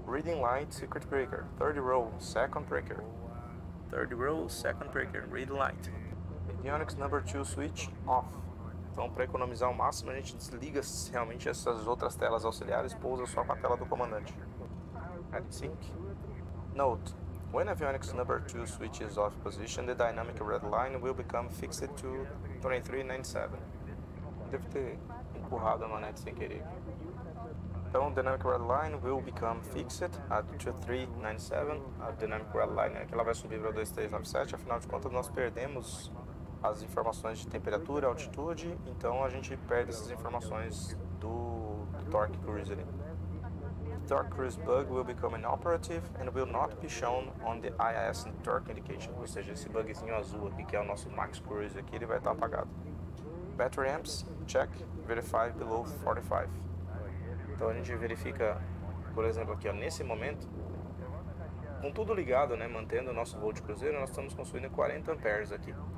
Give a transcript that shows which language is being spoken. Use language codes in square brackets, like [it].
[en] Reading light circuit breaker, third row, second breaker. Third row, second breaker, read light. Avionics number 2 switch off. [pt] Então, para economizar o máximo, a gente desliga realmente essas outras telas auxiliares e pousa só com a tela do comandante. [en] Add sync. Note: when avionics number 2 switch is off position, the dynamic red line will become fixed to 2397. [pt] Deve ter empurrado a manete sem querer. Então, [en] dynamic red line will become fixed at 2397. [pt] A dynamic red line é que ela vai subir para 2397. Afinal de contas, nós perdemos as informações de temperatura, altitude, então a gente perde essas informações do torque cruise ali. [en] Torque cruise bug will become inoperative and will not be shown on the IIS torque indication. [pt] Ou seja, esse bugzinho azul aqui, que é o nosso max cruise aqui, ele vai estar apagado. [en] Battery amps, check, verify below 45. [pt] Então a gente verifica, por exemplo, aqui ó, nesse momento, com tudo ligado, né, mantendo o nosso volt cruzeiro, nós estamos consumindo 40 amperes aqui.